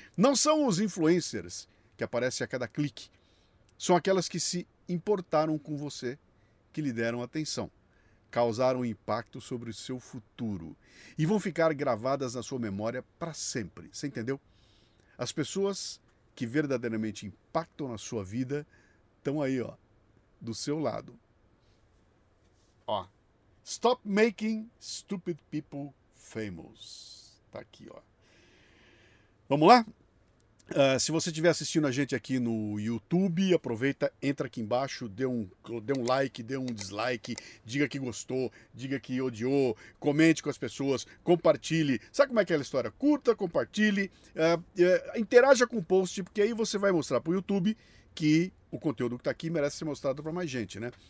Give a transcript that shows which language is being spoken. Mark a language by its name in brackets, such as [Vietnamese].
[Portuguese] Não são os influencers que aparecem a cada clique. São aquelas que se importaram com você, que lhe deram atenção, causaram impacto sobre o seu futuro e vão ficar gravadas na sua memória para sempre. Você entendeu? As pessoas que verdadeiramente impactam na sua vida estão aí, ó, do seu lado. [English] Ó, stop making stupid people famous. [Portuguese] Tá aqui, ó. Vamos lá? Se você estiver assistindo a gente aqui no YouTube, aproveita, entra aqui embaixo, dê um like, dê um dislike, diga que gostou, diga que odiou, comente com as pessoas, compartilhe. Sabe como é aquela história? Curta, compartilhe, interaja com o post, porque aí você vai mostrar para o YouTube que o conteúdo que está aqui merece ser mostrado para mais gente, né?